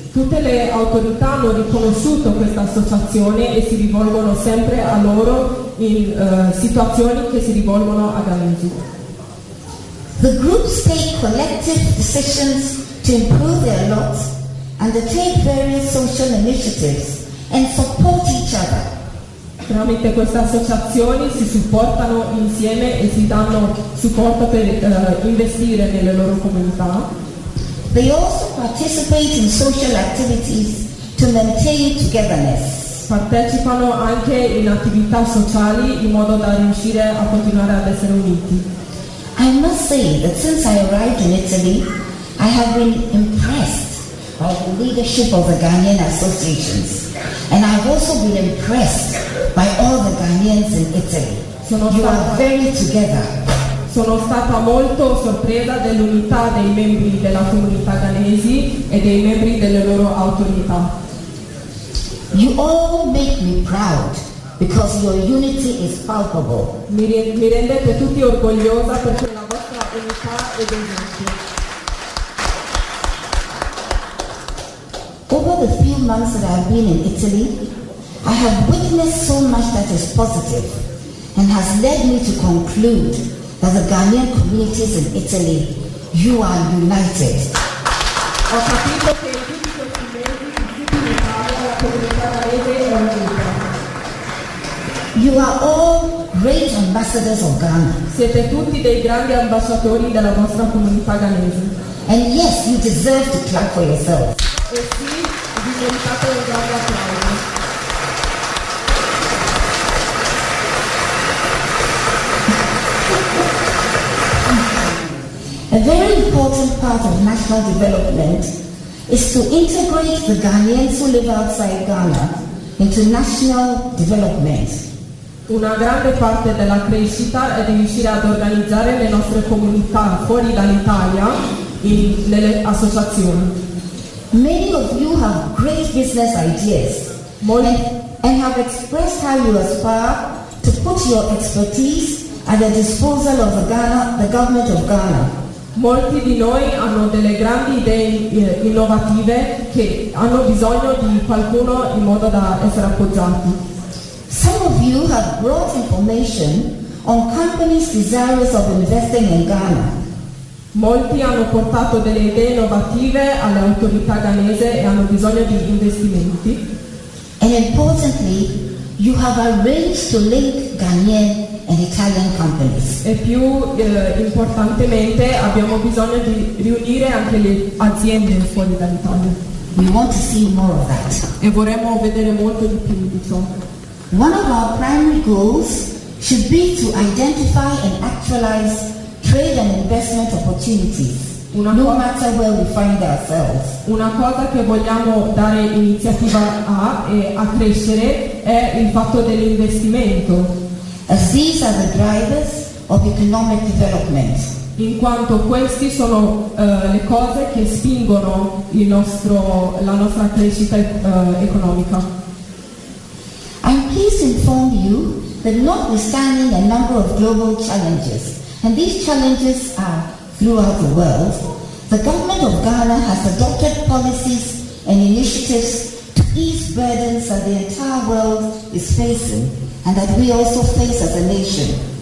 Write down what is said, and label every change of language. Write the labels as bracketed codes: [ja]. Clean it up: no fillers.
[it] Tutte le autorità hanno riconosciuto questa associazione e si rivolgono sempre a loro in situazioni che si rivolgono a Ghanaians. [en] The groups take collective decisions to improve their lot, undertake various social initiatives, and support each other. [it] Tramite queste associazioni si supportano insieme e si danno supporto per investire nelle loro comunità. [en] They also participate in social activities to maintain togetherness. [it] Partecipano anche in attività sociali in modo da riuscire a continuare ad essere uniti. [en] I must say that since I arrived in Italy, I have been impressed by the leadership of the Ghanaian associations. And I've also been impressed by all the Ghanaians in Italy. You are very together. [it] Sono stata molto sorpresa dell'unità dei membri della comunità ghanesi e dei membri delle loro autorità. [en] You all make me proud because your unity is palpable. [it] Mi rendete tutti orgogliosa perché la vostra unità è evidente. [en] Over the few months that I have been in Italy, I have witnessed so much that is positive and has led me to conclude that the Ghanaian communities in Italy, you are united. [it] Ho capito che in tutti questi mesi, in tutti i paesi, la comunità ghanese è unita. [en] You are all great ambassadors of Ghana. [it] Siete tutti dei grandi ambasciatori della vostra comunità ghanese. [en] And yes, you deserve to clap for yourself. [it] E sì, vi meritate un grande applauso. [en] A very important part of national development is to integrate the Ghanaians who live outside Ghana into national development. [it] Una grande parte della crescita è di riuscire ad organizzare le nostre comunità fuori dall'Italia in nelle associazioni. [en] Many of you have great business ideas and have expressed how you aspire to put your expertise at the disposal of the government of Ghana. [it] Molti di noi hanno delle grandi idee innovative che hanno bisogno di qualcuno in modo da essere appoggiati. [en] Some of you have brought information on companies desirous of investing in Ghana. [it] Molti hanno portato delle idee innovative alle autorità ghanese e hanno bisogno di investimenti. [en] And importantly, you have arranged to link Ghanaian and Italian companies. [it] E più importantemente, abbiamo bisogno di riunire anche le aziende fuori dall'Italia. [en] We want to see more of that. [it] E vorremmo vedere molto di più di ciò. [en] One of our primary goals should be to identify and actualize trade and investment opportunities, no matter where we find ourselves. [it] Una cosa che vogliamo dare iniziativa a crescere è il fatto dell'investimento. [en] As these are the drivers of economic development. [it] In quanto questi sono le cose che spingono la nostra crescita economica. [en] I'm pleased to inform you that notwithstanding a number of global challenges, and these challenges are throughout the world, the government of Ghana has adopted policies and initiatives to ease burdens that the entire world is facing and that we also face as a nation.